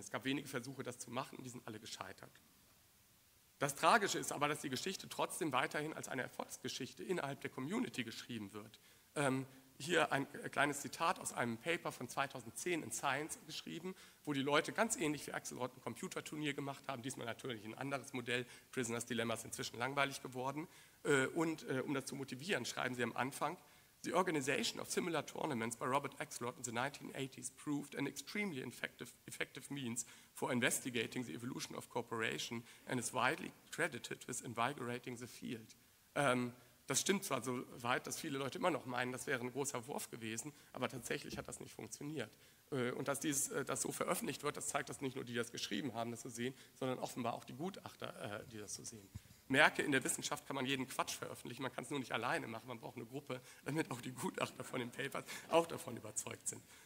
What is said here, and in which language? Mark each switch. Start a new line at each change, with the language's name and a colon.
German: Es gab wenige Versuche, das zu machen, die sind alle gescheitert. Das Tragische ist aber, dass die Geschichte trotzdem weiterhin als eine Erfolgsgeschichte innerhalb der Community geschrieben wird. Hier ein kleines Zitat aus einem Paper von 2010 in Science geschrieben, wo die Leute ganz ähnlich wie Axelrod ein Computerturnier gemacht haben, diesmal natürlich ein anderes Modell, Prisoner's Dilemma ist inzwischen langweilig geworden. Und um das zu motivieren, schreiben sie am Anfang,
English: The organization of similar tournaments by Robert Axelrod in the 1980s proved an extremely effective means for investigating the evolution of cooperation and is widely credited with invigorating the field.
German: Das stimmt zwar so weit, dass viele Leute immer noch meinen, das wäre ein großer Wurf gewesen, aber tatsächlich hat das nicht funktioniert. Und dass dieses, das so veröffentlicht wird, das zeigt, dass nicht nur die, die das geschrieben haben, das zu sehen, sondern offenbar auch die Gutachter, die das zu sehen. Merke, in der Wissenschaft kann man jeden Quatsch veröffentlichen, man kann es nur nicht alleine machen, man braucht eine Gruppe, damit auch die Gutachter von den Papers auch davon überzeugt sind.